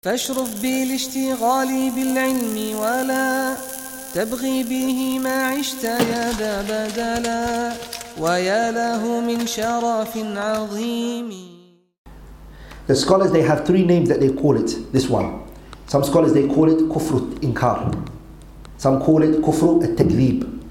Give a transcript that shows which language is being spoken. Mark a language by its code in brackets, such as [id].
[ar] فاشرف بي لاشتغالي بالعلم ولا تبغي به ما عشت يا ذا بدلا ويا له من شرف عظيم. [en] The scholars, they have three names that they call it, this one. Some scholars, they call it كفر الإنكار. Some call it كفر التكذيب.